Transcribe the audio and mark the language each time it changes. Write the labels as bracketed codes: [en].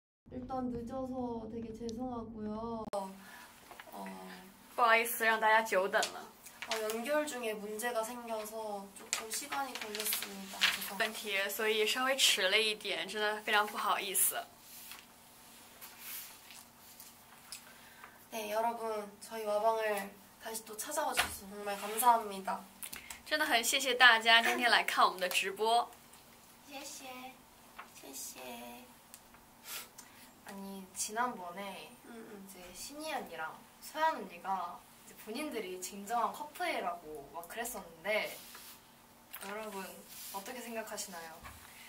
[ko] 일단 늦어서 되게 죄송하고요. [zh] 不好意思，让大家久等了。 [ko] 연결중에문제가생겨서조금시간이걸렸습니다. 죄송합니다. [zh] 问题，所以稍微迟了一点，真的非常不好意思。 [ko] 네,여러분,저희와방을다시또찾아와주셔서정말감사합니다. [zh] 真的很谢谢大家今天来看我们的直播。谢谢，谢谢。 [ko] 아니,지난번에이제신이언니랑서현언니가본인들이진정한커플이라고막그랬었는데여러분어떻게생각하시나요?